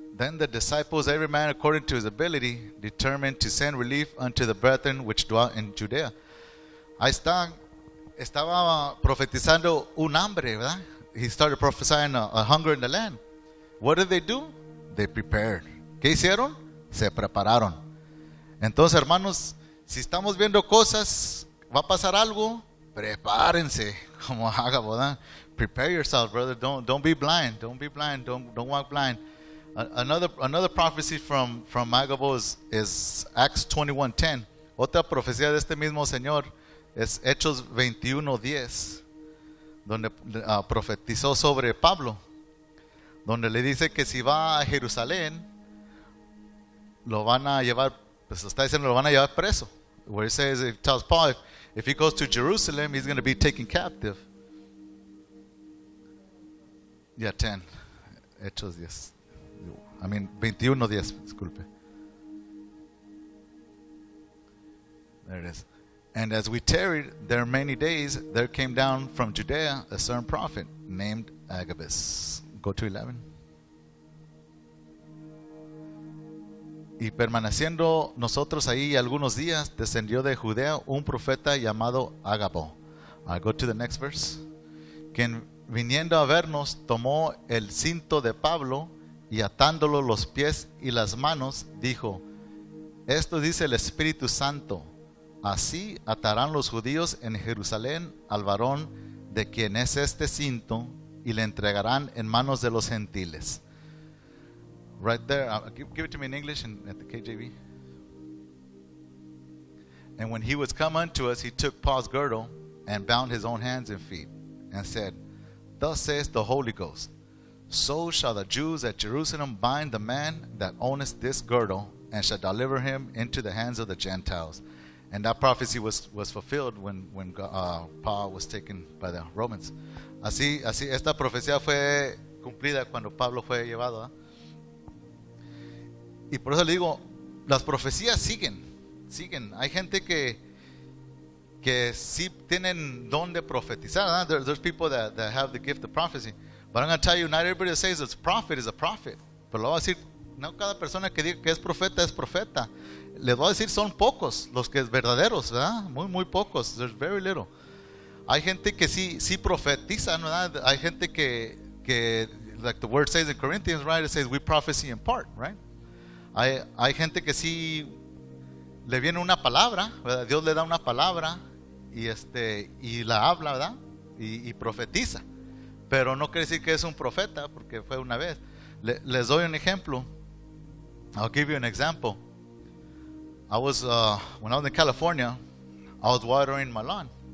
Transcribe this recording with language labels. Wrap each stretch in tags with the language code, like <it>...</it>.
<en>Then the disciples, every man according to his ability, determined to send relief unto the brethren which dwelt in Judea.</en> <es>Ahí estaba profetizando un hambre, ¿verdad?</es> <en>He started prophesying a hunger in the land. What did they do? They prepared.</en> <es>¿Qué hicieron? Se prepararon. Entonces, hermanos, si estamos viendo cosas, va a pasar algo. Prepárense, como haga, ¿verdad?</es> <en>Prepare yourself, brother. Don't be blind. Don't walk blind. Another prophecy from Agabo is Acts 21:10.</en> <es>Otra profecía de este mismo señor es Hechos 21:10, donde profetizó sobre Pablo, donde le dice que si va a Jerusalén, lo van a llevar. Pues está diciendo, lo van a llevar preso.</es> <en>Where it tells Paul, if he goes to Jerusalem, he's going to be taken captive. Yeah, 10.</en> <es>Hechos 10.</es> <en>I mean, 21:10, disculpe. There it is. And as we tarried there many days, there came down from Judea a certain prophet named Agabus. Go to 11.</en> <es>Y permaneciendo nosotros ahí algunos días, descendió de Judea un profeta llamado Ágabo.</es> <en>I'll go to the next verse.</en> <es>Quien viniendo a vernos, tomó el cinto de Pablo y atándolo los pies y las manos, dijo: Esto dice el Espíritu Santo. Así atarán los judíos en Jerusalén al varón de quien es este cinto y le entregarán en manos de los gentiles.</es> <en>Right there, give it to me in English and at the KJV. And when he was come unto us, he took Paul's girdle and bound his own hands and feet and said, Thus says the Holy Ghost, So shall the Jews at Jerusalem bind the man that owneth this girdle and shall deliver him into the hands of the Gentiles. And that prophecy was fulfilled when Paul was taken by the Romans.</en> <es>Así esta profecía fue cumplida cuando Pablo fue llevado. ¿Eh? Y por eso le digo, las profecías siguen. Hay gente que sí tienen don de profetizar. ¿Eh?</es> <en>There's people that have the gift of prophecy. But I'm going to tell you, not everybody that says it's a prophet is a prophet.</en> <es>Pero lo voy a decir, no cada persona que diga que es profeta. Les voy a decir, son pocos los que es verdaderos, ¿verdad? Muy, muy pocos.</es> <en>There's very little.</en> <es>Hay gente que sí profetizan, ¿verdad? Hay gente que</es> <en>like the word says in Corinthians, right? It says we prophesy in part, right?</en> <es>Hay gente que sí le viene una palabra, ¿verdad? Dios le da una palabra y la habla, ¿verdad? Y profetiza. Pero no quiere decir que es un profeta porque fue una vez. Les doy un ejemplo.</es> <en>I'll give you an example. When I was in California, I was watering my lawn.</en>